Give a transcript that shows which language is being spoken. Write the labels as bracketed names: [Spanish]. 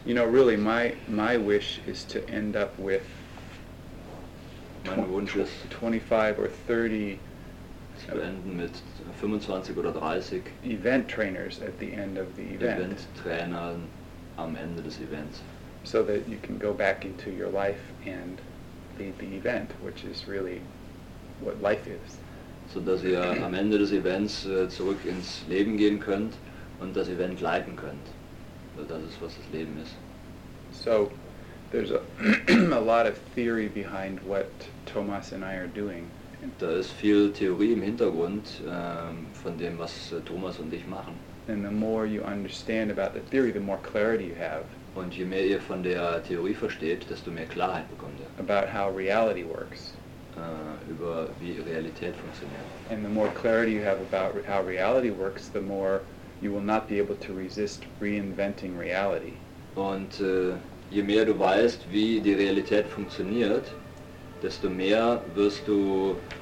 [English] You know, really, my wish is to end up with 25 or 30 [German] zu enden mit 25 oder 30 [English] event trainers at the end of the event. [German] Event Trainer am Ende des Events. [English] So that you can go back into your life and lead the event, which is really what life is. [German] So dass ihr am Ende des Events zurück ins Leben gehen könnt und das Event leiten könnt. Das ist, was das Leben ist. [English] So there's a lot of theory behind what Thomas and I are doing. [German] Da ist viel Theorie im Hintergrund von dem, was Thomas und ich machen. [English] And the more you understand about the theory, the more clarity you have. [German] Und je mehr ihr von der Theorie versteht, desto mehr Klarheit bekommt ihr. [English] About how reality works. [German] Über wie Realität funktioniert. [English] And the more clarity you have about how reality works, the more you will not be able to resist reinventing reality. [German] Und je mehr du weißt, wie die Realität funktioniert, desto mehr wirst du